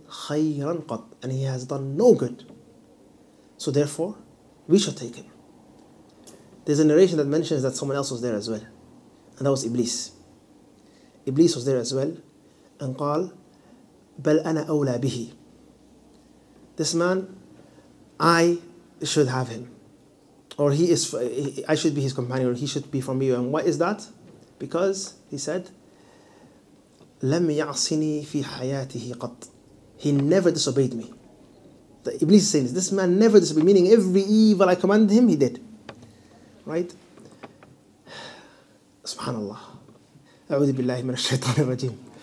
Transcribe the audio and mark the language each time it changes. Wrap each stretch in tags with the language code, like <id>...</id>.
<en>And he has done no good. So therefore, we should take him. There's a narration that mentions that someone else was there as well. And that was Iblis. Iblis was there as well. And</en> <ar>قال, بَلْ أَنَا أَوْلَى بِهِ.</ar> <en>This man, I should have him. Or I should be his companion, or he should be from you. And what is that? Because he said,</en> <ar>لَمْ يَعْصِنِي فِي حَيَاتِهِ قَطْ.</ar> <en>He never disobeyed me. The Iblis is saying this man never disobeyed, meaning every evil I commanded him, he did. Right? Subhanallah.</en> <ar>أعوذ بالله من الشيطان الرجيم.</ar>